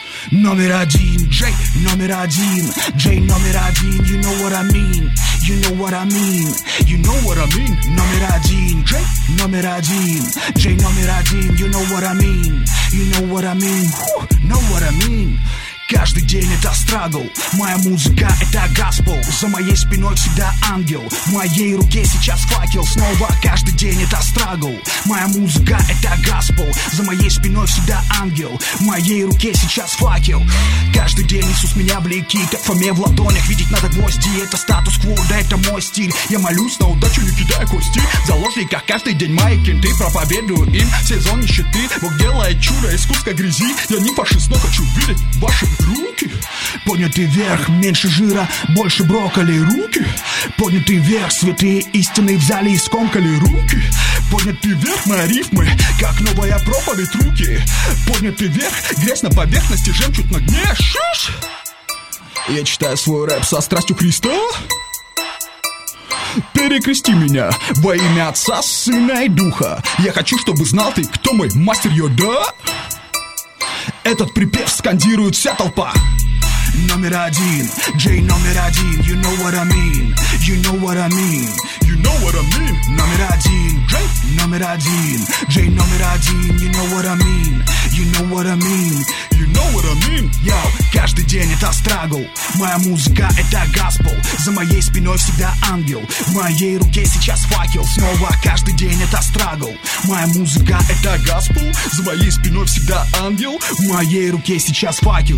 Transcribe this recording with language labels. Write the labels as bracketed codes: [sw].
[ru] Номер один, Джей, номер один, [en] Джей, номер один, you know what I mean, you know what I mean, you know what I mean, номер один, Джей, номер один, Джей, номер один, you know what I mean, you know what I mean, know what I mean. [ru] Каждый день это страдл. Моя музыка это gospel. За моей спиной всегда ангел. В моей руке сейчас факел. Снова каждый день это страдл. Моя музыка это gospel. За моей спиной всегда ангел. В моей руке сейчас факел. Каждый день Иисус меня влекит. Фоме в ладонях видеть надо гвозди. Это статус-кво, да это мой стиль. Я молюсь на удачу, не кидая кости. В заложниках каждый день мои кенты. Проповедую им сезон нищеты. Бог делает чудо из куска грязи. Я не фашист, но хочу видеть ваши руки, поднятый вверх, меньше жира, больше брокколи, руки, поднятый вверх, святые истины взяли и скомкали, руки, поднятый вверх, мои рифмы, как новая проповедь, руки, поднятый вверх, грязь на поверхности, жемчуг на дне, шиш, я читаю свой рэп со страстью Христа, перекрести меня во имя Отца, Сына и Духа, я хочу, чтобы знал ты, кто мой мастер Йода. Этот припев скандирует вся толпа. Номер один, Джей номер один, [en] you know what I mean, you know what I mean, you know what I mean. [ru] Номер один, Джей номер один, [en] Джей номер один, you know what I mean, you know what I mean, you know what I mean. [ru] Я каждый день это страгл, моя музыка это gospel. За моей спиной всегда ангел, в моей руке сейчас факел. Снова каждый день это страгл, моя музыка это gospel. За моей спиной всегда ангел, в моей руке сейчас факел.